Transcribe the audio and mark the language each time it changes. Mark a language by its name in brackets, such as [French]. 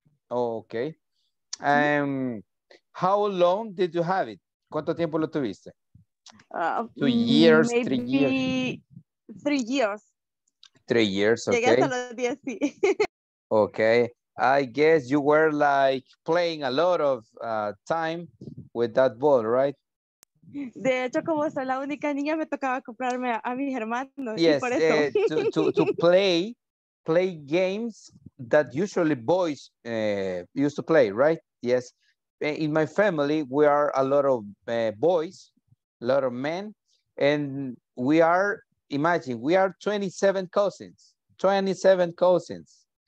[English] Okay. How long did you have it? [Spanish] ¿Cuánto tiempo lo tuviste? [English] 2 years, maybe 3 years. 3 years. 3 years, okay. Okay. I guess you were like playing a lot of time with that ball, right? [Spanish] De hecho, como soy la única niña, me tocaba comprarme a mis hermanos. [English] Yes, [Spanish] y por eso. [English] to play games that usually boys used to play, right? Yes. In my family, we are a lot of boys, a lot of men, and we are 27 cousins, 27 cousins.